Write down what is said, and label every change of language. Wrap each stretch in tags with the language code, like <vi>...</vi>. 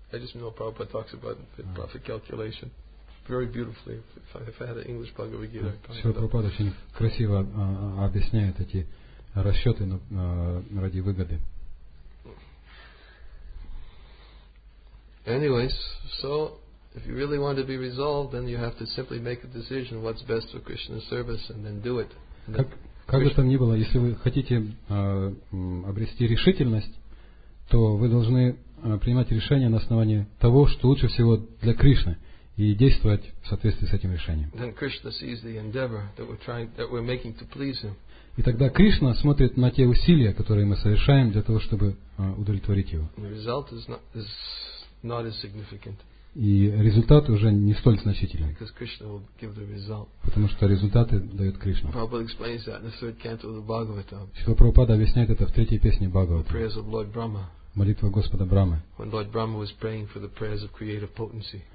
<en>I just know Prabhupada talks about profit calculation. Very beautifully. If I had an English Bhagavad Gita.</en> <ru>Шрила Прабхупада очень красиво объясняет эти расчеты ради выгоды.</ru> <en>Anyways, so if you really want to be resolved, then you have to simply make a decision what's best for Krishna's service and then do it.</en> <ru>Как бы там ни было, если вы хотите обрести решительность, то вы должны принимать решение на основании того, что лучше всего для Кришны. И действовать в соответствии с этим решением.</ru> <en>Then Krishna sees the endeavor that we're trying, that we're making to please him.</en> <ru>И тогда Кришна смотрит на те усилия, которые мы совершаем для того, чтобы удовлетворить его.</ru> <en>The result is not as significant.</en> <ru>И результат уже не столь значительный.</ru> <en>Because Krishna will give the result.</en> <ru>Потому что результаты дает Кришна.</ru> <en>Prabhupada explains that in the third canto of the Bhagavatam.</en> <ru>Шрила Прабхупада объясняет это в третьей песне Бхагавата.</ru> <en>The prayers of Lord Brahma.</en> <ru>молитва Господа Брамы.</ru> <en>When Lord Brahma was praying for the prayers of creative potency.</en>